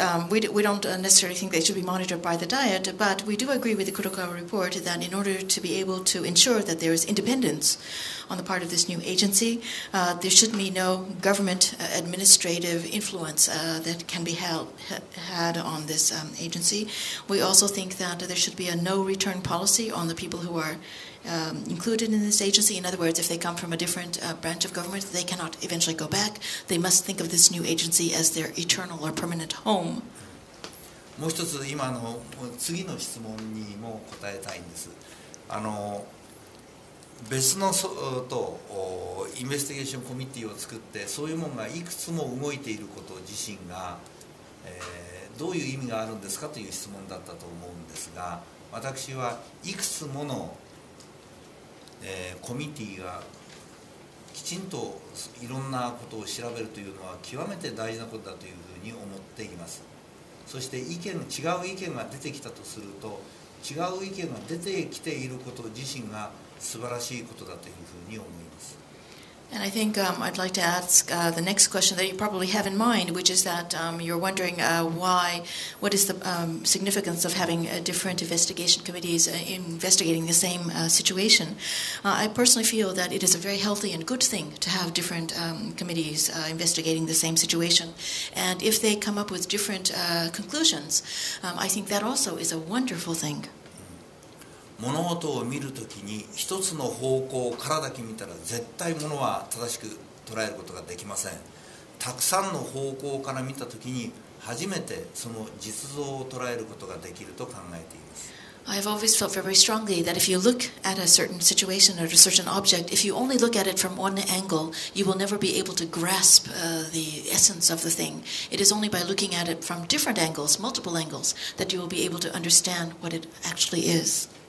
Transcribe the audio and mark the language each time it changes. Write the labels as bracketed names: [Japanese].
[English] We don't necessarily think they should be monitored by the Diet, but we do agree with the Kurokawa report that in order to be able to ensure that there is independence on the part of this new agency, there should be no government administrative influence that can be had on this agency. We also think that there should be a no-return policy on the people who are included in this agency. In other words, if they come from a different branch of government, they cannot eventually go back. They must think of this new agency as their eternal or permanent home. [Japanese] もう一つ今の次の質問にも答えたいんです。あの別のとインベスティゲーションコミッティを作ってそういうものがいくつも動いていること自身が、どういう意味があるんですかという質問だったと思うんですが、私はいくつものコミュニティがきちんといろんなことを調べるというのは極めて大事なことだというふうに思っています。そして意見違う意見が出てきたとすると、違う意見が出てきていること自身が素晴らしいことだというふうに思います。 [English] And I think I'd like to ask the next question that you probably have in mind, which is that you're wondering why, what is the significance of having different investigation committees investigating the same situation. I personally feel that it is a very healthy and good thing to have different committees investigating the same situation. And if they come up with different conclusions, I think that also is a wonderful thing. [Japanese] 物事を見るときに一つの方向からだけ見たら絶対物は正しく捉えることができません。たくさんの方向から見たときに初めてその実像を捉えることができると考えています。 [English] I have always felt very strongly that if you look at a certain situation or a certain object, if you only look at it from one angle, you will never be able to grasp the essence of the thing. It is only by looking at it from different angles, multiple angles, that you will be able to understand what it actually is.